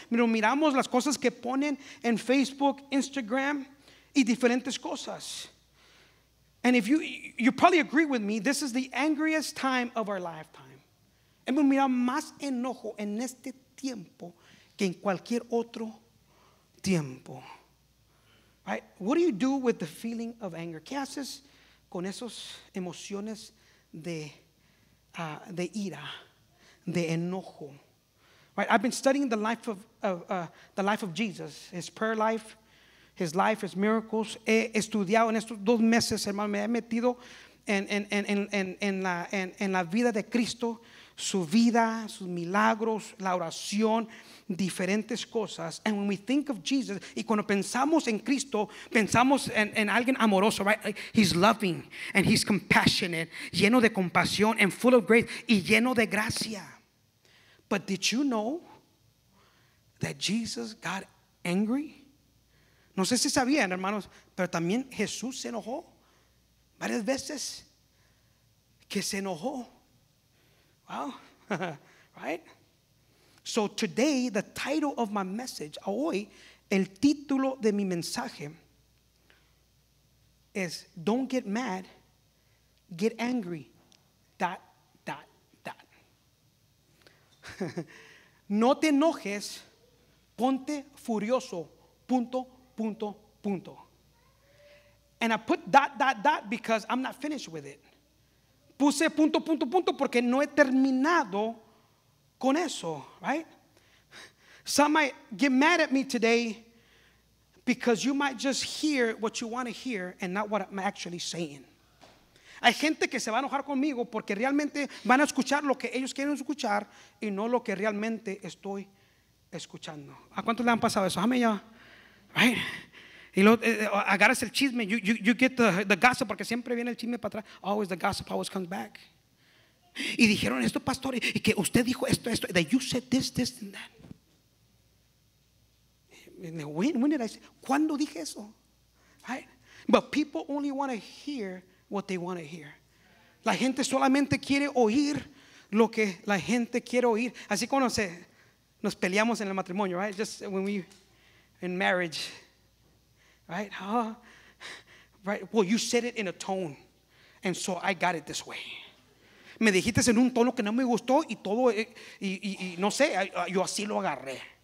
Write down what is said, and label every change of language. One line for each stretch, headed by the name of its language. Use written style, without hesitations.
Spanish: Miramos las cosas que ponen en Facebook, Instagram, y diferentes cosas.
English: And if you probably agree with me, this is the angriest time of our lifetime.
Spanish: Hemos mirado más enojo en este tiempo que en cualquier otro tiempo.
English: Right? What do you do with the feeling of anger?
Spanish: ¿Qué haces con esas emociones de ira, de enojo?
English: Right? I've been studying the life of Jesus, his prayer life, his life, his miracles.
Spanish: He estudiado en estos dos meses, hermano, me he metido en la vida de Cristo, su vida, sus milagros, la oración, diferentes cosas.
English: And when we think of Jesus,
Spanish: y cuando pensamos en Cristo, pensamos en alguien amoroso, right?
English: Like, he's loving and he's compassionate,
Spanish: lleno de compasión
English: and full of grace
Spanish: y lleno de gracia.
English: But did you know that Jesus got angry?
Spanish: No sé si sabían, hermanos, pero también Jesús se enojó varias veces. Que se enojó.
English: Wow.
Spanish: Right?
English: So today, the title of my message,
Spanish: hoy, el título de mi mensaje es
English: Don't Get Mad, Get Angry. Dot, dot, dot.
Spanish: No te enojes, ponte furioso. Punto, punto, punto.
English: And I put dot, dot, dot because I'm not finished with it.
Spanish: Puse punto, punto, punto porque no he terminado con eso,
English: right? Some might get mad at me today because you might just hear what you want to hear and not what I'm actually saying.
Spanish: Hay gente que se va a enojar conmigo porque realmente van a escuchar lo que ellos quieren escuchar y no lo que realmente estoy escuchando. ¿A cuántos le han pasado eso? Amén, ya. Right? Y luego agarras el chisme.
English: You get the gossip
Spanish: porque siempre viene el chisme para atrás.
English: Always the gossip always comes back.
Spanish: Y dijeron esto, pastor, y que usted dijo esto, esto,
English: that you said this, this, and that. When did I say?
Spanish: ¿Cuándo dije eso?
English: Right? But people only want to hear what they want to hear.
Spanish: La gente solamente quiere oír lo que la gente quiere oír. Así como nos peleamos en el matrimonio, right?
English: Just when we, in marriage, right? Huh? Right? Well, you said it in a tone, and so I got it this way.
Spanish: Me dijiste en un tono que no me gustó y todo, y no sé, yo así lo agarré.